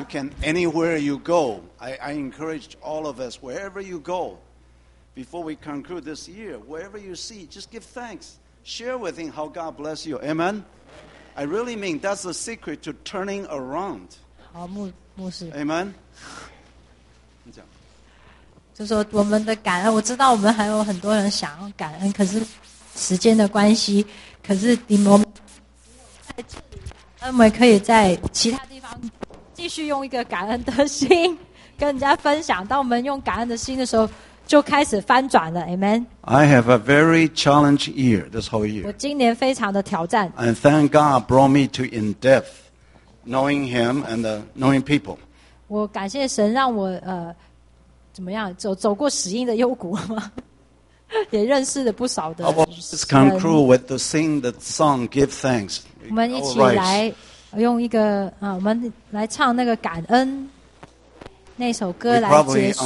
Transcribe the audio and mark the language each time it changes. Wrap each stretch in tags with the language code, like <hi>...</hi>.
<en>You can, anywhere you go, I encourage all of us, wherever you go, before we conclude this year, wherever you see, just give thanks. Share with him how God bless you. Amen? I really mean that's the secret to turning around.</en> <zh>好, 牧, 牧师。</zh> <en>Amen?</en> <zh>就说我们的感恩，我知道我们还有很多人想要感恩，可是时间的关系，可是你们在这里，我们可以在其他地方继续用一个感恩的心跟人家分享。当我们用感恩的心的时候，就开始翻转了。</zh> <en>Amen. I have a very challenged year this whole year.</en> <zh>我今年非常的挑战。</zh> <en>And thank God brought me to in depth knowing him and knowing people.</en> <zh>我感谢神让我怎么样 走过死荫的幽谷吗？也认识了不少的人。</zh> <en>I will just conclude with the sing the song Give Thanks.</en> <zh>我们一起来用一个我们来唱那个感恩那首歌来结束。</zh>